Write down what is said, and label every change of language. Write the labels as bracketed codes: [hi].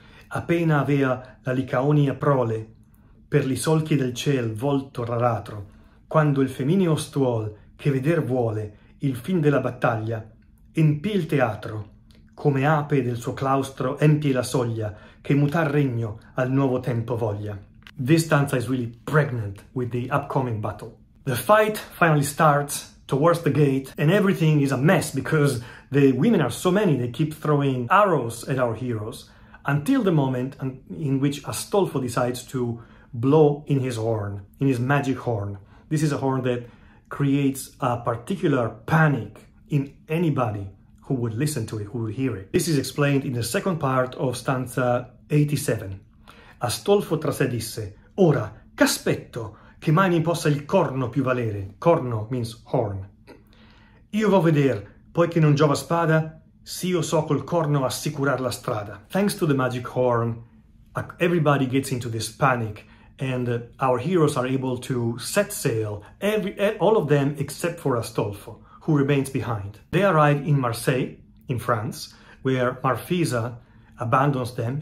[it] Appena avea la Licaonia prole per li solchi del ciel volto raratro, quando il femminio stuol che veder vuole il fin della battaglia empì il teatro, come ape del suo claustro empì la soglia che mutar regno al nuovo tempo voglia." [en] This stanza is really pregnant with the upcoming battle. The fight finally starts towards the gate, and everything is a mess because the women are so many, they keep throwing arrows at our heroes, until the moment in which Astolfo decides to blow in his horn, in his magic horn. This is a horn that creates a particular panic in anybody who would listen to it, who would hear it. This is explained in the second part of stanza 87. [it] Astolfo tra sé disse, "Ora, c'aspetto che mai mi possa il corno più valere." Corno [en] means horn. [it] "Io vo' veder, poiché non giova spada, si io so col corno assicurar la strada." [en] Thanks to the magic horn, everybody gets into this panic, and our heroes are able to set sail, all of them except for Astolfo, who remains behind. They arrive in Marseille, in France, where Marfisa abandons them.